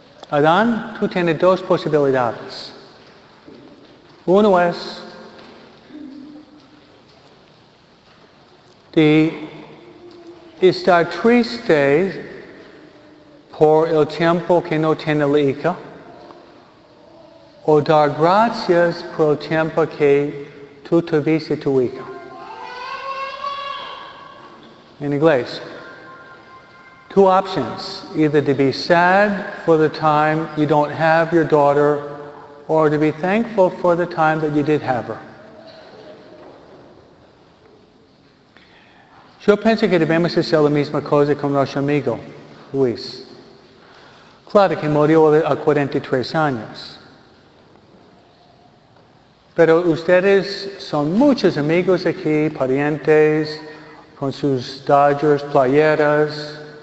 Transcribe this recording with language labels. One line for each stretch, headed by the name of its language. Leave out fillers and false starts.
Spanish: Adán, tú tienes dos posibilidades. Uno es de estar triste por el tiempo que no tiene la hija, o dar gracias por el tiempo que tú tuviste tu hija. En inglés,
English: two options, either to be sad for the time you don't have your daughter, or to be thankful for the time that you did have her.
Spanish: Yo pienso que debemos hacer la misma cosa con nuestro amigo, Luis. Claro que murió a 43 años. Pero ustedes son muchos amigos aquí, parientes, con sus Dodgers, playeras.